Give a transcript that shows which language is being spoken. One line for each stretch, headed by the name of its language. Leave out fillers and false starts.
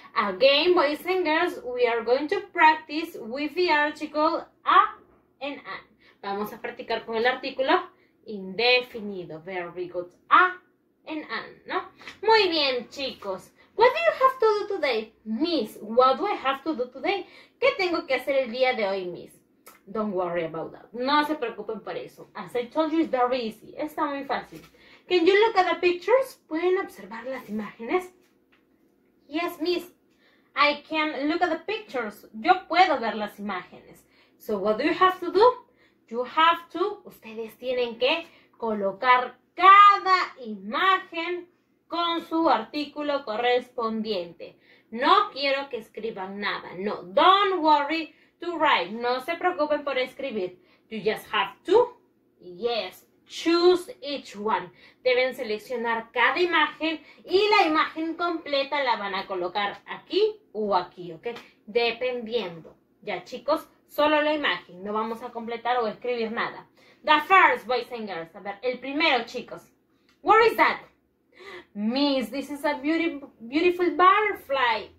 English: Again, boys and girls, we are going to practice with the article a and an.
Spanish: Vamos a practicar con el artículo indefinido.
English: Very good.
Spanish: A and an, ¿no? Muy bien, chicos.
English: What do you have to do today, miss? What do I have to do today?
Spanish: ¿Qué tengo que hacer el día de hoy, miss?
English: Don't worry about that.
Spanish: No se preocupen por eso.
English: As I told you, it's very easy.
Spanish: Está muy fácil.
English: Can you look at the pictures?
Spanish: ¿Pueden observar las imágenes?
English: Yes, miss. I can look at the pictures.
Spanish: Yo puedo ver las imágenes.
English: So, what do you have to do? You have to, ustedes tienen que colocar cada imagen con su artículo correspondiente.
Spanish: No quiero que escriban nada.
English: No, don't worry to write.
Spanish: No se preocupen por escribir.
English: You just have to, yes, choose each one.
Spanish: Deben seleccionar cada imagen y la imagen completa la van a colocar aquí o aquí, ¿ok? Dependiendo. Ya, chicos, solo la imagen. No vamos a completar o escribir nada.
English: The first, boys and girls.
Spanish: A ver, el primero, chicos.
English: What is that? Miss, this is a beautiful butterfly.